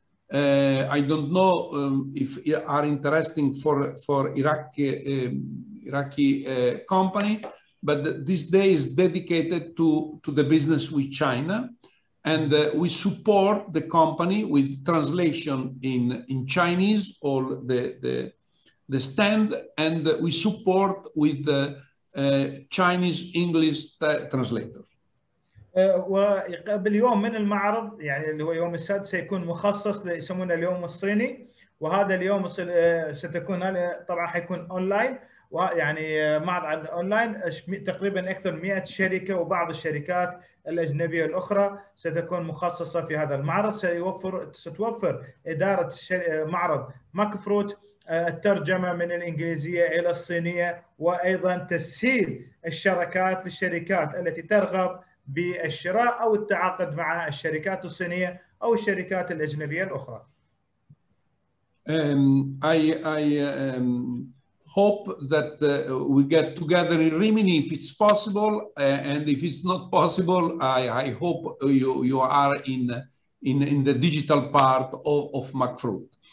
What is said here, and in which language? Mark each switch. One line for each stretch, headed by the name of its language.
English: I don't know if are interesting for Iraqi company, but this day is dedicated to the business with China. And we support the company with translation in Chinese, all the stand, and we support with the Chinese English translator.
Arabic: وقبل يوم من المعرض يعني اللي هو يوم السادس سيكون مخصص ليسمونه اليوم الصيني وهذا اليوم ستكون طبعا حيكون أونلاين ويعني معرض أونلاين تقريبا أكثر 100 شركة وبعض الشركات الأجنبية الأخرى ستكون مخصصة في هذا المعرض ستوفر إدارة معرض ماكفروت الترجمة من الإنجليزية إلى الصينية وأيضا تسهيل الشركات للشركات التي ترغب بالشراء أو التعاقد مع الشركات الصينية أو الشركات الأجنبية الأخرى.
English: I hope that we get together in Rimini if it's possible, and if it's not possible, I hope you are in the digital part of Macfrut.